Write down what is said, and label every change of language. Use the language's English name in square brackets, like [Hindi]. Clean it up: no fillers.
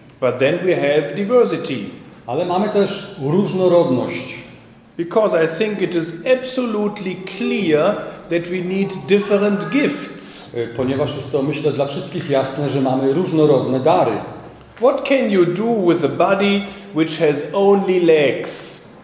[English] But then we have diversity. [Polish] Ale mamy też różnorodność. [English] Because I think it is absolutely clear that we need different gifts. [Polish] Ponieważ jest to, myślę, dla wszystkich jasne, że mamy różnorodne dary. [English] What can you do with a body which has only legs?